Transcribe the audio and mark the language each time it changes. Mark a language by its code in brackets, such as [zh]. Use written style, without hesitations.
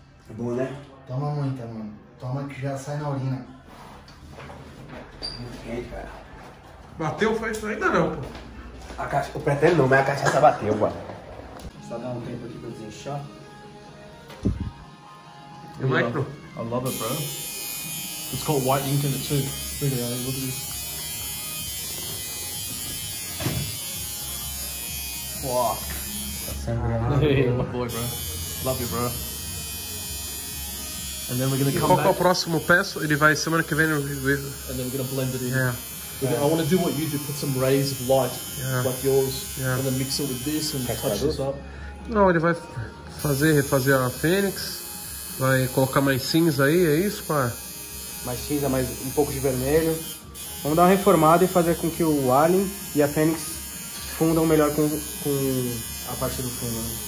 [pt] É bom, né? Toma muita, mano. Toma que já sai na urina. Bateu foi isso ainda não, pô. A caixa, o pretendo não, mas a cachaça bateu, mano. Só dá um tempo aqui pra desinchar. E aí, bro? [en] I love it, bro. It's got white ink in it too. Really, I look at this. Fuck. Hey, my boy, bro. Love you, bro. And then we're gonna come back. [pt] O próximo passo, ele vai semana que vem. [en] And then we're gonna blend it in. Yeah. I want to do what you do, put some rays of light, like yours, and then mix it with this and touch this up. [pt] Não, ele vai refazer a Fênix, vai colocar mais cinza aí, é isso, pai? Mais cinza, mais um pouco de vermelho. Vamos dar uma reformada e fazer com que o Alien e a Fênix fundam melhor com a parte do fundo, né?